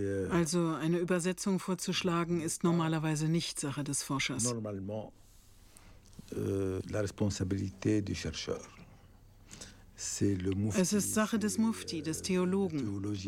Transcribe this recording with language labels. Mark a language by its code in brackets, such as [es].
[de] Also eine Übersetzung vorzuschlagen, ist normalerweise nicht Sache des Forschers. [fr] Normalement, la responsabilité du chercheur. C'est le Mufti, [de] es ist Sache des Mufti, des Theologen,